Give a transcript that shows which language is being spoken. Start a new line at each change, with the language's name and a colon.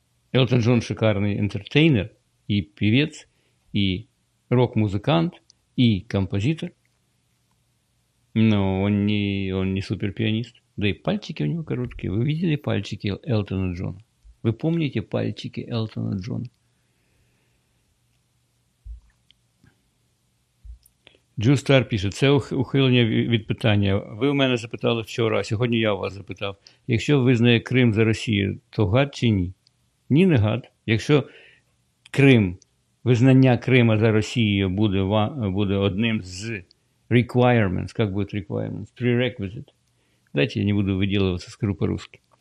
Russian: Элтон Джон шикарный энтертейнер и певец, и рок-музыкант, и композитор. Но он не суперпианист. Да и пальчики у него короткие. Вы видели пальчики Элтона Джона? Вы помните пальчики Элтона Джона?
Ukrainian: Джу Стар пише: це ухилення від питання. Ви у мене запитали вчора, а сьогодні я у вас запитав. Якщо визнає Крим за Росію, то гад чи ні? Ні, не гад. Якщо Крим, визнання Крима за Росією буде одним з requirements, як буде requirements, prerequisite. Дайте, я не буду виділюватися, скажу по-русски.